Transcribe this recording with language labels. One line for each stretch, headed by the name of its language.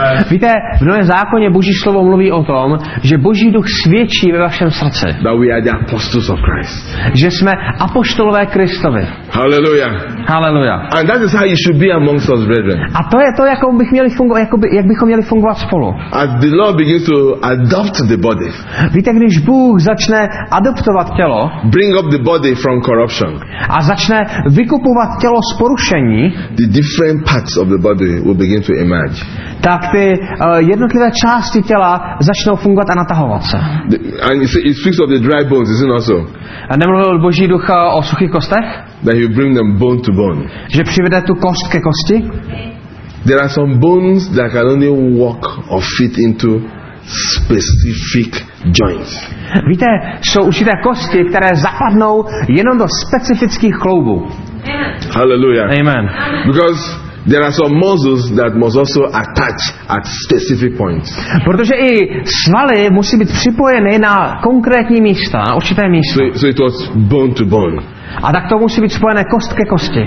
Czech: Víte, v Novém zákoně Boží slovo mluví o tom, že Boží duch svědčí ve vašem srdci.
English: That we are the apostles of Christ.
Czech: Že jsme apoštolové Kristovi. Hallelujah. Hallelujah.
English: And that is how you should be amongst us, brethren.
Czech: A to je to, jak bychom měli fungovat spolu.
English: As the Lord begins to adopt the body.
Czech: Víte, když Bůh začne adoptovat tělo.
English: Bring up the body from corruption.
Czech: A začne vykupovat tělo z porušení.
English: The different parts of the body will begin to emerge.
Czech: Tak ty jednotlivé části těla začnou fungovat a natahovat se.
English: And it speaks of the dry bones, isn't it so?
Czech: A nemluvil Boží duch o suchých kostech?
English: That he will bring them bone to bone.
Czech: Že přivede tu kost ke kosti?
English: There are some bones that can only walk or fit into specific joints.
Czech: Víte, jsou určité kosti, které zapadnou jenom do specifických kloubů. Hallelujah. Amen.
English: Because There are some muscles that must also attach at specific points.
Czech: Protože i svaly musí být připojeny na konkrétní místa, na určité místo.
English: So it was bone to bone.
Czech: A tak to musí být spojené kost ke kosti.